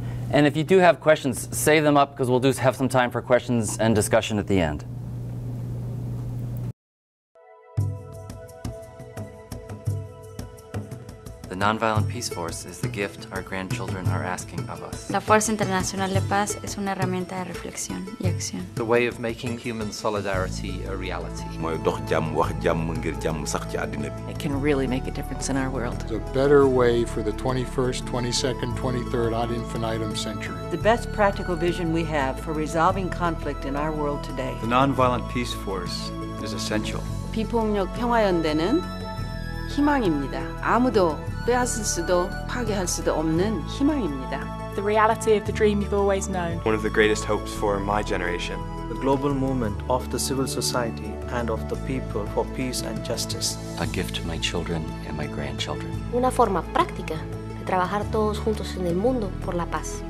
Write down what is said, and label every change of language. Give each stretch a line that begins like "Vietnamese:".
English: And if you do have questions, save them up, because we'll do have some time for questions and discussion at the end. The Nonviolent Peace Force is the gift our grandchildren are asking of us.
Spanish: La Fuerza Internacional de Paz es una herramienta de reflexión y acción.
English: The way of making human solidarity a reality. It can really make a difference in our world. The better way for the 21st, 22nd, 23rd ad infinitum century. The best practical vision we have for resolving conflict in our world today. The Nonviolent Peace Force is essential.
Korean: 비폭력 평화연대는 희망입니다. 아무도 빼앗을 수도 파괴할 수도 없는 희망입니다.
English: The reality of the dream you've always known. One of the greatest hopes for my generation. The global movement of the civil society and of the people for peace and justice. A gift to my children and my grandchildren.
Spanish: Una forma práctica de trabajar todos juntos en el mundo por la paz.